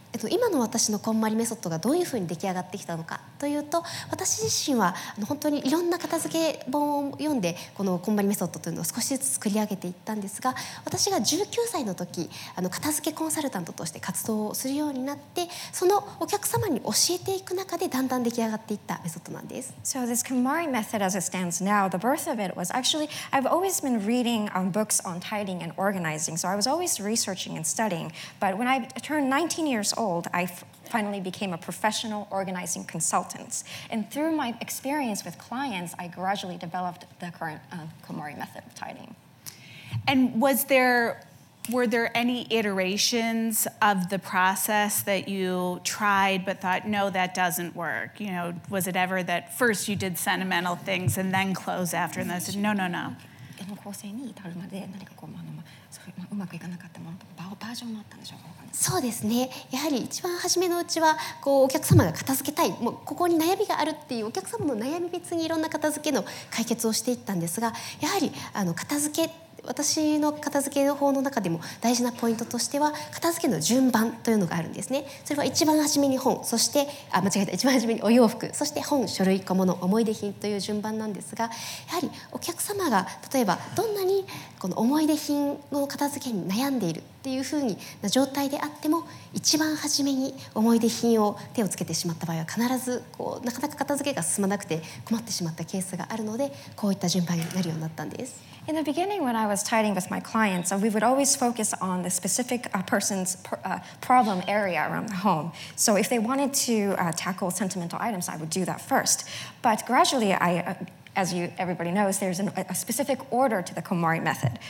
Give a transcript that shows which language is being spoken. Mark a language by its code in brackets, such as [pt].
[ja] 今の私のこんまりメソッドがどういうふうに出来上がってきたのかというと、私自身は本当にいろんな片付け本を読んでこのこんまりメソッドというのを少しずつ作り上げていったんですが、私が19歳の時片付けコンサルタントとして活動をするようになって、そのお客様に教えていく中でだんだん出来上がっていったメソッドなんです。 [en] So this Kumari method as it stands now, the birth of it was actually I've always been reading books on tidying and organizing, so I was always researching and studying, but when I turned 19 years old, I finally became a professional organizing consultant. And through my experience with clients, I gradually developed the current Kumari method of tidying. And were there any iterations of the process that you tried but thought, no, that doesn't work? You know, was it ever that first you did sentimental things and then clothes after, and then said, no. [ja] うまくいかなかったものとかバージョンもあったんでしょうか。そうですね、やはり一番初めのうちはこうお客様が片付けたい、もうここに悩みがあるっていうお客様の悩み別にいろんな片付けの解決をしていったんですが、やはり片付け、私の片付け法の中でも大事なポイントとしては片付けの順番というのがあるんですね。それは一番初めに本、そして一番初めにお洋服、そして本、書類、小物、思い出品という順番なんですが、やはりお客様が例えばどんなにこの思い出品を片付けに悩んでいるっていう風にな状態であっても、一番初めに思い出品を手をつけてしまった場合は必ずこうなかなか片付けが進まなくて困ってしまったケースがあるので、こういった順番になるようになったんです。 [en] In the beginning, when I was tidying with my clients, we would always focus on the specific person's problem area around the home. So if they wanted to tackle sentimental items, I would do that first. But gradually, everybody knows, there's a specific order to the Kumari method.